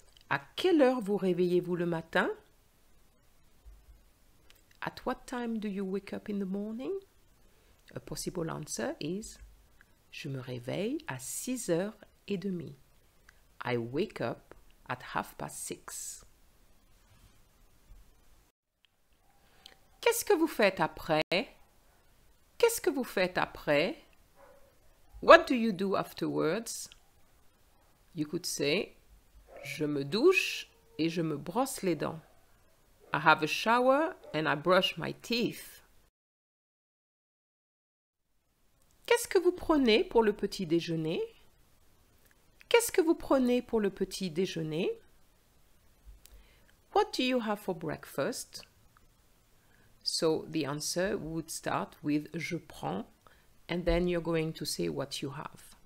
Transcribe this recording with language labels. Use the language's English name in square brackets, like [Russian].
[French] À quelle heure vous réveillez-vous le matin? [English] At what time do you wake up in the morning? A possible answer is, [French] je me réveille à 6h30. [English] I wake up at 6:30. [French] Qu'est-ce que vous faites après? Qu'est-ce que vous faites après? [English] What do you do afterwards? You could say, [French] je me douche et je me brosse les dents. [English] I have a shower and I brush my teeth. [French] Qu'est-ce que vous prenez pour le petit déjeuner? Qu'est-ce que vous prenez pour le petit déjeuner? [English] What do you have for breakfast? So the answer would start with [French] je prends, [English] and then you're going to say what you have.